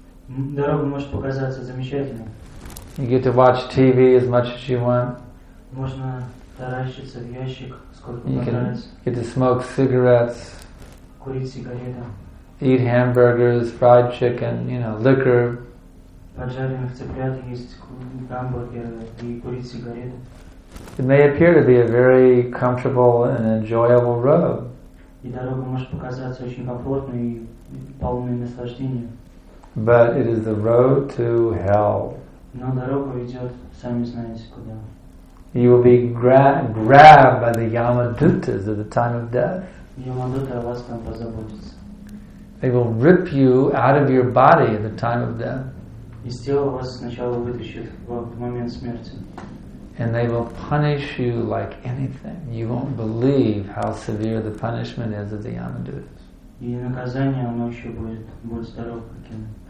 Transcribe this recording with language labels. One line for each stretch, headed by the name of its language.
Russian: Дорога может показаться замечательной.
English: You get to watch TV as much as you want.
Russian: Можно таращиться в ящик сколько
English: you can get to smoke cigarettes.
Russian: Курить сигареты.
English: Eat hamburgers, fried chicken, you know, liquor.
Russian: Поджаренных цыплят, есть гамбургер и курить сигареты.
English: It may appear to be a very comfortable and enjoyable road.
Russian: И дорога может показаться очень комфортной и полной наслаждения.
English: But it is the road to hell.
Russian: Но дорога ведет, сами знаете, куда.
English: You will be grabbed by the Yamadutas at the time of death.
Russian: Yamadutta вас там позаботится.
English: They will rip you out of your body at the time of death.
Russian: Из тела вас сначала вытащат в момент смерти.
English: And they will punish you like anything. You won't believe how severe the punishment is of the Yamadutas.
Russian: И наказание оно еще будет здоров каким.